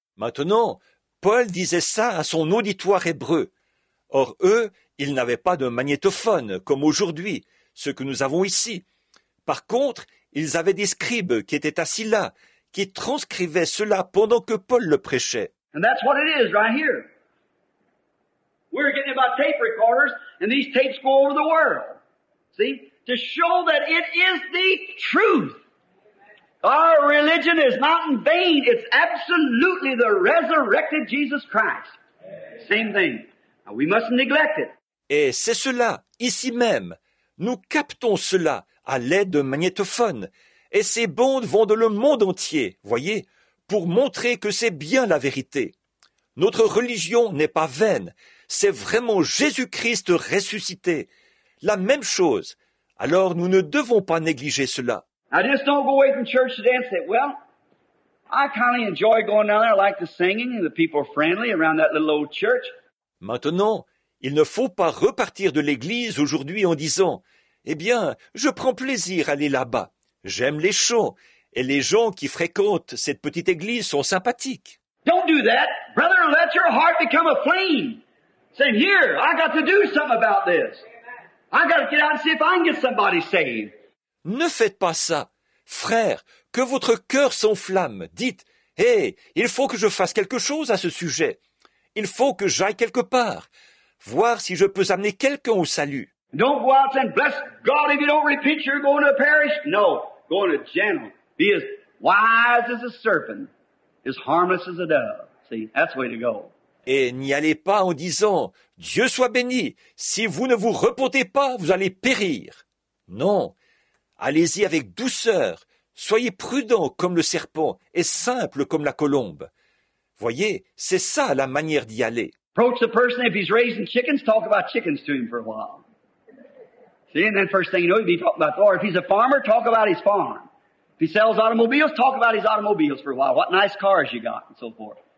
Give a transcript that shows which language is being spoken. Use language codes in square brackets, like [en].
[fr] Maintenant, Paul disait ça à son auditoire hébreu. Or, eux, ils n'avaient pas de magnétophone, comme aujourd'hui, ce que nous avons ici. Par contre, ils avaient des scribes qui étaient assis là, qui transcrivait cela pendant que Paul le prêchait. [en] And that's what it is right here. We're getting about tape recorders, and these tapes go over the world. See? To show that it is the truth. Our religion is not in vain. It's absolutely the resurrected Jesus Christ. Same thing. Now, we mustn't neglect it. [fr] Et c'est cela, ici même. Nous captons cela à l'aide de magnétophones. Et ces bandes vont dans le monde entier, voyez, pour montrer que c'est bien la vérité. Notre religion n'est pas vaine, c'est vraiment Jésus-Christ ressuscité. La même chose, alors nous ne devons pas négliger cela. [en] I just don't go away from church today and say, well, I kind of enjoy going down there, I like the singing, and the people are friendly around that little old church. [fr] Maintenant, il ne faut pas repartir de l'église aujourd'hui en disant, eh bien, je prends plaisir à aller là-bas. J'aime les chants, et les gens qui fréquentent cette petite église sont sympathiques. [en] Don't do that. Brother, let your heart become a flame. saying, here, I got to do something about this. I got to get out and see if I can get somebody saved. [fr] Ne faites pas ça. Frère, que votre cœur s'enflamme. Dites, hey, il faut que je fasse quelque chose à ce sujet. Il faut que j'aille quelque part. Voir si je peux amener quelqu'un au salut. [en] Don't go out and bless God if you don't repent, you're going to perish. No, going to gentle. Be as wise as a serpent, as harmless as a dove. See, that's the way to go. [fr] Et n'y allez pas en disant, Dieu soit béni, si vous ne vous repentez pas, vous allez périr. Non, allez-y avec douceur, soyez prudent comme le serpent et simple comme la colombe. Voyez, c'est ça la manière d'y aller. [en] Approach the person, if he's raising chickens, talk about chickens to him for a while. See, and then first thing you know, he'd be talking about, or if he's a farmer, talk about his farm. If he sells automobiles, talk about his automobiles for a while. What nice cars you got, and so forth.